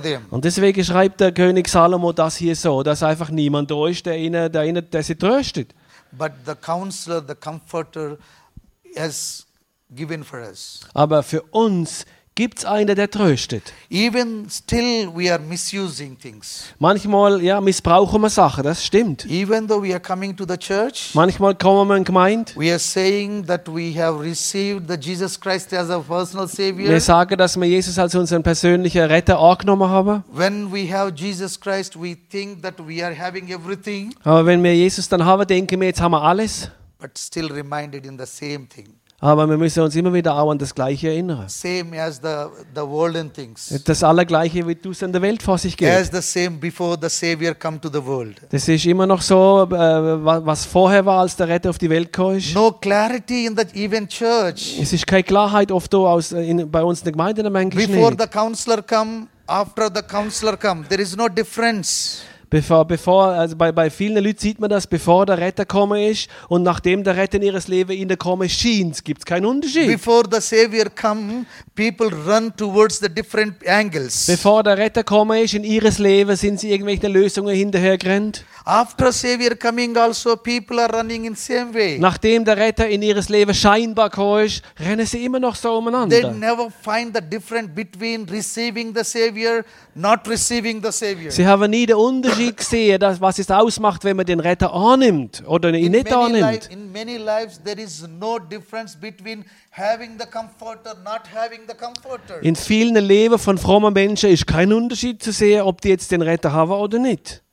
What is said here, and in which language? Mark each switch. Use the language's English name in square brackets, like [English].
[German] Und deswegen schreibt der König Salomo das hier so, dass einfach niemand da ist, der sie tröstet. [English] But the counselor, the comforter has given for us. [German] Aber für uns gibt's einen, der tröstet. [English] Even still we are misusing things. [German] Manchmal, ja, missbrauchen wir Sachen, das stimmt. [English] Even though we are coming to the church, [German] manchmal kommen wir in die Gemeinde. [English] We are saying that we have received the Jesus Christ as our personal savior. [German] Wir sagen, dass wir Jesus als unseren persönlichen Retter angenommen haben. [English] When we have Jesus Christ, we think that we are having everything. [German] Aber wenn wir Jesus dann haben, denken wir, jetzt haben wir alles. [English] But still reminded in the same thing. [German] Aber wir müssen uns immer wieder auch an das Gleiche erinnern. [English] Same as the worldly things. [German] Das Allergleiche, wie du es in der Welt vor sich geht. [English] As the same before the Savior come to the world. [German] Das ist immer noch so, was vorher war, als der Retter auf die Welt kam. [English] No clarity in that even church. [German] Es ist keine Klarheit oft da bei uns in der Gemeinde, in der Menge. [English] Before the counselor come, after the counselor come, there is no difference. [German] Bevor, also bei vielen Leuten sieht man das, bevor der Retter gekommen ist und nachdem der Retter in ihres Leben in der Komme schien, gibt es keinen Unterschied. [English] Before the Savior come, people run towards the different angles. [German] Bevor der Retter gekommen ist, in ihres Leben sind sie irgendwelche Lösungen hinterher gerannt. [English] After Savior coming also, people are running in same way. [German] Nachdem der Retter in ihres Leben scheinbar gekommen ist, rennen sie immer noch so umeinander. [English] They never find the difference between receiving the Savior, not receiving the Savior. [German] Sie haben nie den Unterschied gesehen, was es ausmacht, wenn man den Retter annimmt oder ihn nicht annimmt. [English] In many lives there is no difference between having the comforter, not having the comforter. [German] In vielen Leben von frommen Menschen ist kein Unterschied zu sehen, ob die jetzt den Retter haben oder nicht.